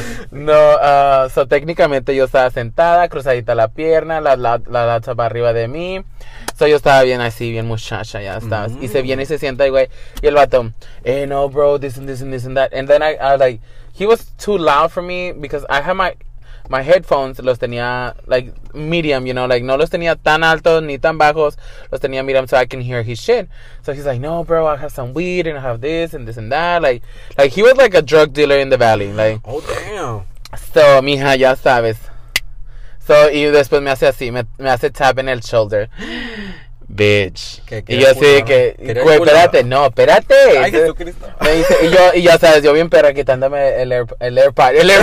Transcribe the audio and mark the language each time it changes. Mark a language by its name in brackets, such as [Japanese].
[Spanish] No, so técnicamente yo estaba sentada, cruzadita la pierna, la chapa arriba de mí. So yo estaba bien así, bien muchacha, ya estabas. Mm-hmm. Y se viene y se sienta, güey. Y el vato, [English] hey, no, bro, this and this and this and that. And then I was like, he was too loud for me because I had my headphones [Spanish] los tenía, [English] like, medium, you know, like, [Spanish] no los tenía tan altos ni tan bajos, los tenía [English] medium so I can hear his shit. So he's like, no, bro, I have some weed and I have this and this and that, like, he was like a drug dealer in the valley, like. Oh, damn. [Spanish] So, mija, ya sabes. So, y después me hace así, me hace tap en el shoulder. Bitch. Y yo así que, güey, espérate, no, espérate. Ay, Jesucristo. Me dice, y yo, sabes, yo bien perra quitándome el AirPod.